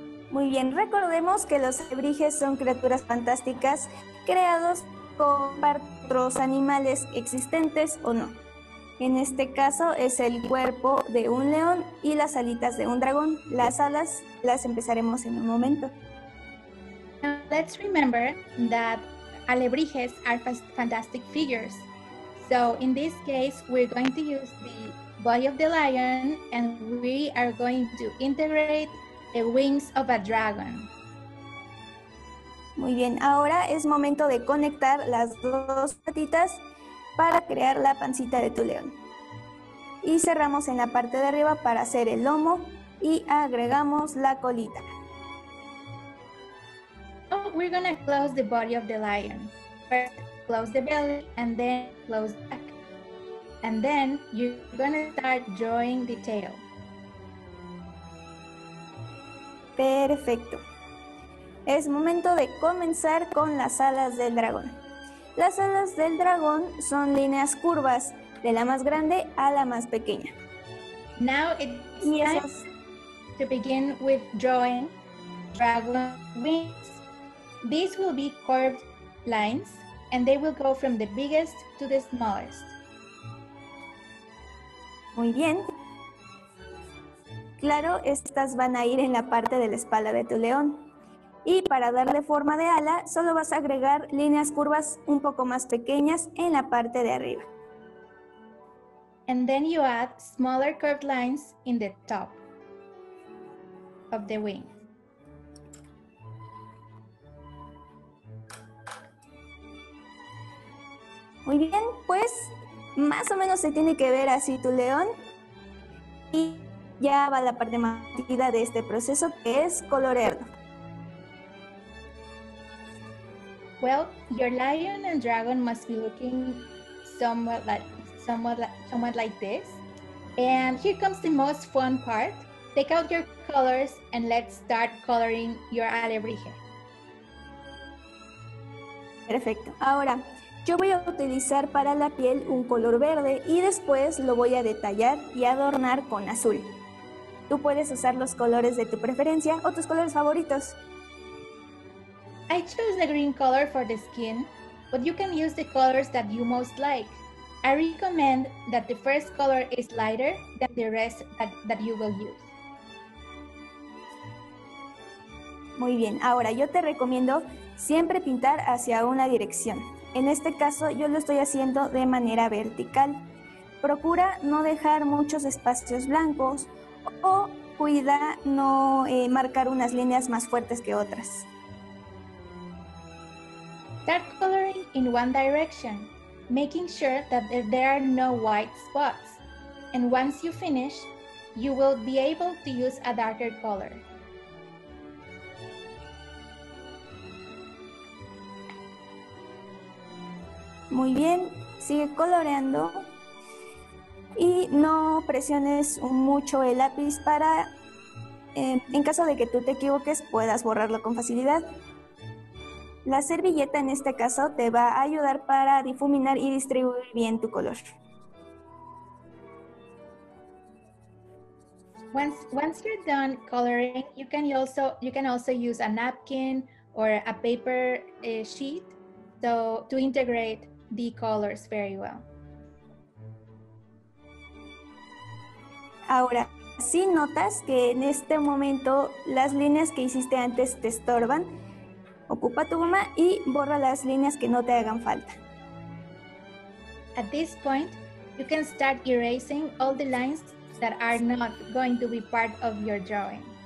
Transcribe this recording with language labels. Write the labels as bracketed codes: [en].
[es] Muy bien, recordemos que los alebrijes son criaturas fantásticas creados por otros animales existentes o no. En este caso es el cuerpo de un león y las alitas de un dragón. Las alas las empezaremos en un momento. [en] Now, let's remember that alebrijes are fantastic figures. So in this case, we're going to use the body of the lion and we are going to integrate the wings of a dragon. [es] Muy bien, ahora es momento de conectar las dos patitas para crear la pancita de tu león. Y cerramos en la parte de arriba para hacer el lomo y agregamos la colita. [en] Oh, we're gonna close the body of the lion. First, close the belly and then close the back. And then you're gonna start drawing the tail. [es] Perfecto. Es momento de comenzar con las alas del dragón. Las alas del dragón son líneas curvas de la más grande a la más pequeña. [en] Now it's time to begin with drawing dragon wings. These will be curved lines and they will go from the biggest to the smallest. [es] Muy bien. Claro, estas van a ir en la parte de la espalda de tu león. Y para darle forma de ala, solo vas a agregar líneas curvas un poco más pequeñas en la parte de arriba. [en] And then you add smaller curved lines in the top of the wing. [es] Muy bien, pues más o menos se tiene que ver así tu león. Y ya va la parte más divertida de este proceso, que es colorearlo. [en] Well, your lion and dragon must be looking somewhat like this. And here comes the most fun part. Take out your colors and let's start coloring your alebrije. [es] Perfecto. Ahora, yo voy a utilizar para la piel un color verde y después lo voy a detallar y adornar con azul. Tú puedes usar los colores de tu preferencia o tus colores favoritos. [en] I chose the green color for the skin, but you can use the colors that you most like. I recommend that the first color is lighter than the rest that you will use. [es] Muy bien, ahora yo te recomiendo siempre pintar hacia una dirección. En este caso yo lo estoy haciendo de manera vertical. Procura no dejar muchos espacios blancos o cuida no marcar unas líneas más fuertes que otras. [en] Start coloring in one direction, making sure that there are no white spots. And once you finish, you will be able to use a darker color. [es] Muy bien, sigue coloreando y no presiones mucho el lápiz para, en caso de que tú te equivoques, puedas borrarlo con facilidad. La servilleta en este caso te va a ayudar para difuminar y distribuir bien tu color. [en] Once you're done coloring, you can also use a napkin or a paper sheet to integrate the colors very well. [es] Ahora, ¿sí notas que en este momento las líneas que hiciste antes te estorban? Ocupa tu goma y borra las líneas que no te hagan falta. [en] At this point, you can start erasing all the lines that are not going to be part of your drawing.